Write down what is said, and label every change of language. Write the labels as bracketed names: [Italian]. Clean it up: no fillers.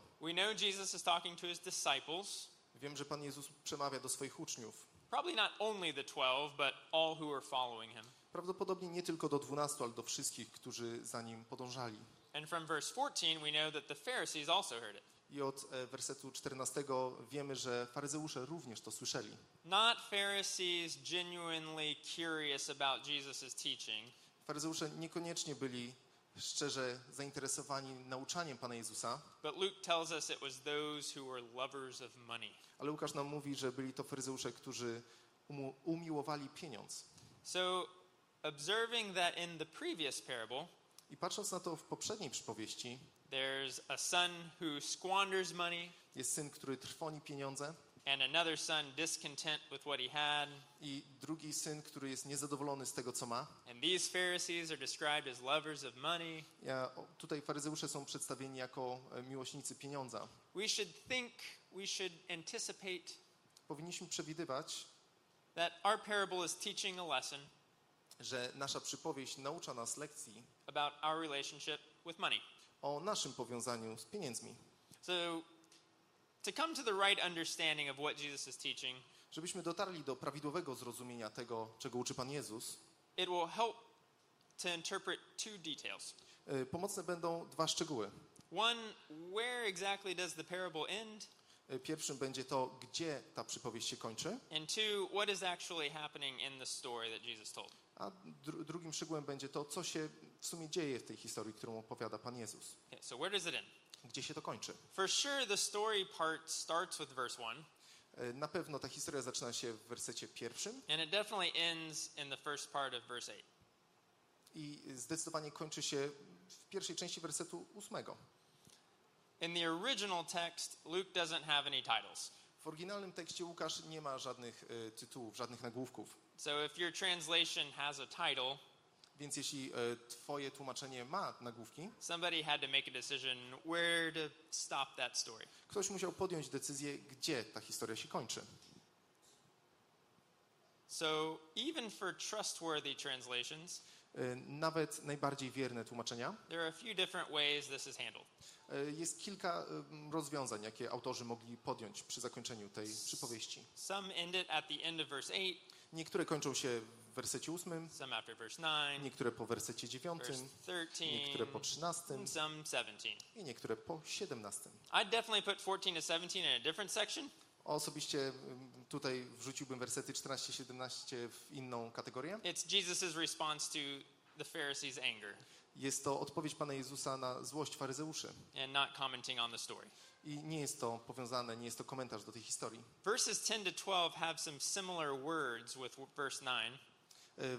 [English] We know Jesus is talking to his disciples. [Polish] Wiem, że Pan Jezus przemawia do swoich uczniów. [English] Probably not only the 12, but all who are following him. [Polish] Prawdopodobnie nie tylko do 12, ale do wszystkich, którzy za nim podążali. [English] And from verse 14 we know that the Pharisees also heard it. [Polish] I od wersetu 14 wiemy, że faryzeusze również to słyszeli. [English] Not Pharisees genuinely curious about Jesus's teaching. [Polish] Faryzeusze niekoniecznie byli szczerze zainteresowani nauczaniem Pana Jezusa. [English] But Luke tells us it was those who were lovers of money. [Polish] Ale Łukasz nam mówi, że byli to faryzeusze, którzy umiłowali pieniądz. [English] So, observing that in the previous parable, [Polish] i patrząc na to w poprzedniej przypowieści, [English] there's a son who squanders money, [Polish] jest syn, który trwoni pieniądze, [English] And another son discontent with what he had. [Polish] I drugi syn, który jest niezadowolony z tego, co ma. [English] And these Pharisees are described as lovers of money. [Polish] Ja, tutaj faryzeusze są przedstawieni jako miłośnicy pieniądza. [English] We should think, we should anticipate. [Polish] Powinniśmy przewidywać, [English] that our parable is teaching a lesson. [Polish] Że nasza przypowieść naucza nas lekcji. [English] About our relationship with money. [Polish] O naszym powiązaniu z pieniędzmi. [English] So, to come to the right understanding of what Jesus is teaching. [Polish] Żebyśmy dotarli do prawidłowego zrozumienia tego, czego uczy Pan Jezus. [English] It will help to interpret two details. [Polish] Pomocne będą dwa szczegóły. [English] One, where exactly does the parable end? [Polish] Pierwszym będzie to, gdzie ta przypowieść się kończy. [English] And two, what is actually happening in the story that Jesus told? [Polish] A drugim szczegółem będzie to, co się w sumie dzieje w tej historii, którą opowiada Pan Jezus. [English] Okay, so where does it end? [Polish] Gdzie się to kończy? [English] For sure the story part starts with verse 1. [Polish] Na pewno ta historia zaczyna się w wersecie pierwszym. [English] And it definitely ends in the first part of verse 8. [Polish] I zdecydowanie kończy się w pierwszej części wersetu 8. [English] In the original text Luke doesn't have any titles. [Polish] W oryginalnym tekście Łukasz nie ma żadnych tytułów, żadnych nagłówków. [English] So if your translation has a title, [Polish] więc jeśli twoje tłumaczenie ma nagłówki, [English] somebody had to make a decision where to stop that story. [Polish] Ktoś musiał podjąć decyzję, gdzie ta historia się kończy. [English] So even for trustworthy translations, [Polish] nawet najbardziej wierne tłumaczenia, [English] there are a few different ways this is handled. [Polish] Jest kilka rozwiązań, jakie autorzy mogli podjąć przy zakończeniu tej przypowieści. [English] Some end it at the end of verse 8. [Polish] Niektóre kończą się w wersecie 8, [English] some after verse 9, [Polish] niektóre po wersecie 9, [English] verse 13, [Polish] niektóre po 13, [English] some 17. [Polish] I niektóre po 17. [English] I'd definitely put 14 to 17 in a different section. [Polish] Osobiście tutaj wrzuciłbym wersety 14-17 w inną kategorię. [English] It's Jesus's response to the Pharisees' anger. [Polish] Jest to odpowiedź Pana Jezusa na złość faryzeuszy. [English] And not commenting on the story. [Polish] I nie jest to powiązane, nie jest to komentarz do tej historii. [English] Verses 10 to 12 have some similar words with verse 9.